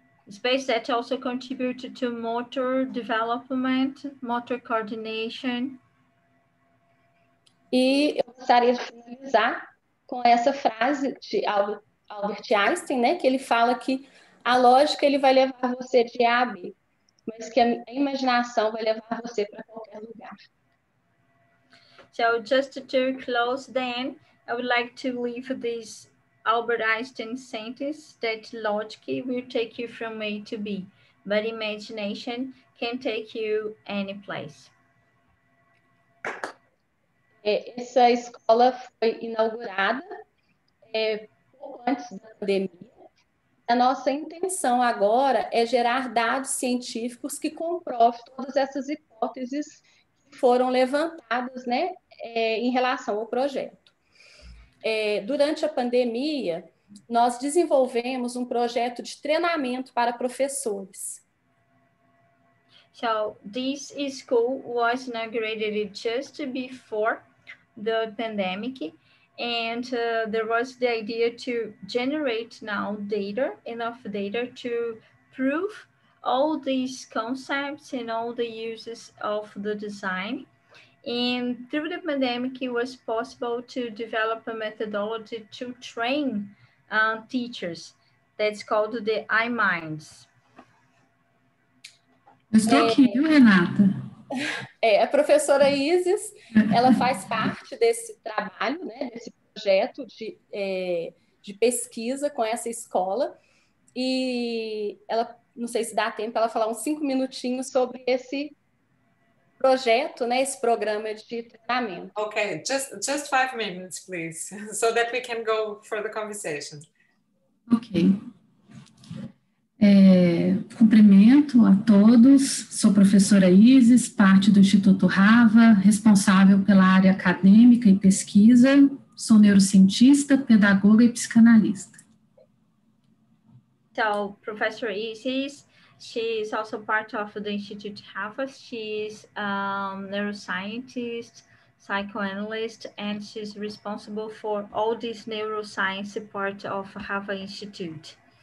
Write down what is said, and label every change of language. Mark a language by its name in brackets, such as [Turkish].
[English] Space that also contribute to motor development, motor coordination. [Portuguese] E eu gostaria de finalizar com essa frase de Albert Einstein, né, que ele fala que a lógica ele vai levar você de A a B, mas que a imaginação vai levar você para qualquer lugar. [English] So just to close then, I would like to leave this Albert Einstein sentence that logic will take you from A to B, but imagination can take you any place. [Portuguese] Essa escola foi inaugurada pouco antes da pandemia. A nossa intenção agora é gerar dados científicos que comprovem todas essas hipóteses que foram levantadas, né, em relação ao projeto. Durante a pandemia, nós desenvolvemos um projeto de treinamento para professores. [English] So, this school was inaugurated just before the pandemic, and there was the idea to generate now data, enough data to prove all these concepts and all the uses of the design. And through the pandemic, it was possible to develop a methodology to train teachers. That's called the iMinds. [Portuguese] Estou aqui, viu, Renata? A professora Isis, ela faz parte desse trabalho, né, desse projeto de pesquisa com essa escola, e ela, não sei se dá tempo, ela falar uns 5 minutinhos sobre esse projeto, né, esse programa de treinamento. [English] Ok, just 5 minutes, please, so that we can go for the conversation. Ok. [Portuguese] Cumprimento a todos, sou professora Isis, parte do Instituto HAVA, responsável pela área acadêmica e pesquisa, sou neurocientista, pedagoga e psicanalista. [English] So, Professor Isis, she is also part of the Institute HAVA, she is a neuroscientist, psychoanalyst, and she's responsible for all this neuroscience part of HAVA Institute.